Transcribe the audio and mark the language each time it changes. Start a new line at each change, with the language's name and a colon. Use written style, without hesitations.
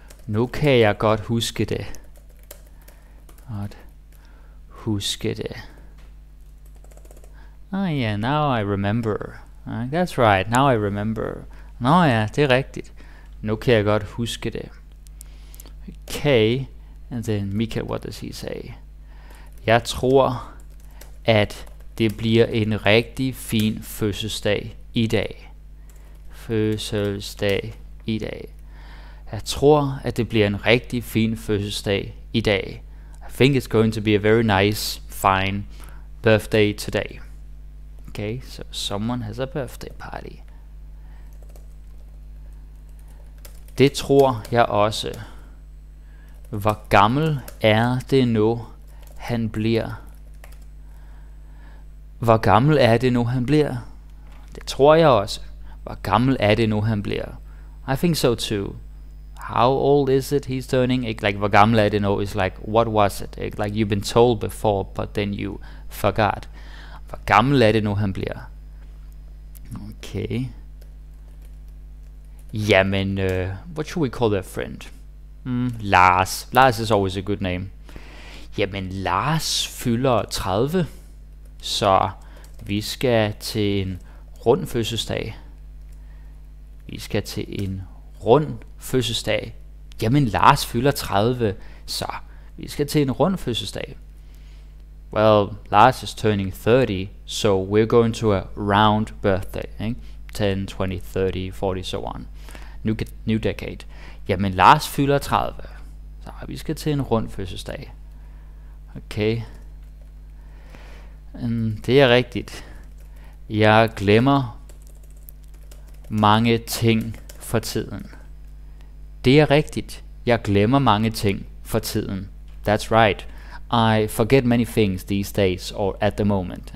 Danish: Nu kan jeg godt huske det. Godt huske det.
English: Oh yeah, now I remember. That's right, now I remember.
Danish: Nå ja, det er rigtigt. Nu kan jeg godt huske det.
English: Okay, and then Mika, what does he say?
Danish: Jeg tror, at det bliver en rigtig fin fødselsdag i dag. Fødselsdag i dag. Jeg tror, at det bliver en rigtig fin fødselsdag i dag.
English: I think it's going to be a very nice, fine birthday today. Okay, so someone has a birthday party.
Danish: Det tror jeg også. Hvor gammel er det nu, han bliver? Hvor gammel er det nu, han bliver? Det tror jeg også. Hvor gammel er det nu, han bliver?
English: I think so too. How old is it he's turning?
Danish: Ikke, like, hvor gammel er det nu?
English: It's like, what was it?
Danish: Ikke,
English: like, you've been told before, but then you forgot.
Danish: Hvor gammel er det nu, han bliver?
English: Okay.
Danish: Jamen,
English: what should we call that friend? Lars. Lars is always a good name.
Danish: Jamen, Lars fylder 30. Så vi skal til en rund fødselsdag. Vi skal til en rund fødselsdag. Jamen, Lars fylder 30, så vi skal til en rund fødselsdag.
English: Well, Lars is turning 30, so we're going to a round birthday, eh? 10, 20, 30, 40, so on. New decade.
Danish: Jamen, Lars fylder 30. Så vi skal til en rund fødselsdag. Okay. Det er rigtigt. Jeg glemmer mange ting for tiden. Det er rigtigt. Jeg glemmer mange ting for tiden.
English: That's right. I forget many things these days or at the moment.